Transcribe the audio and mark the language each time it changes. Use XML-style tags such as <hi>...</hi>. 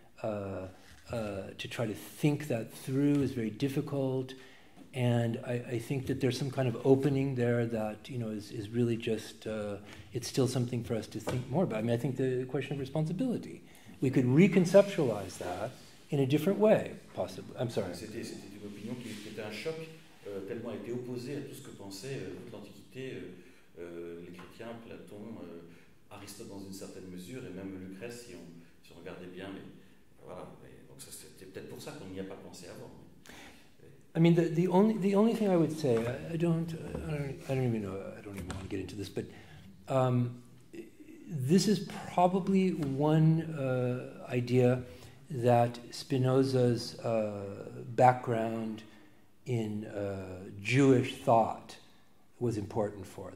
<en>To try to think that through is very difficult. And I think that there's some kind of opening there that, you know, is really just, it's still something for us to think more about. I mean, I think the question of responsibility, we could reconceptualize that in a different way, possibly. I'm sorry.</en> <fr>C'était une opinion qui était un choc, tellement était opposée à tout ce que pensait l'Antiquité, les chrétiens, Platon, Aristote dans une certaine mesure, et même Lucrèce, si on regardait bien. Mais voilà, donc ça, c'était peut-être pour ça qu'on n'y a pas pensé avant.</fr> <en>I mean, the only thing I would say, I don't even want to get into this, but this is probably one idea that Spinoza's background in Jewish thought was important for.</en>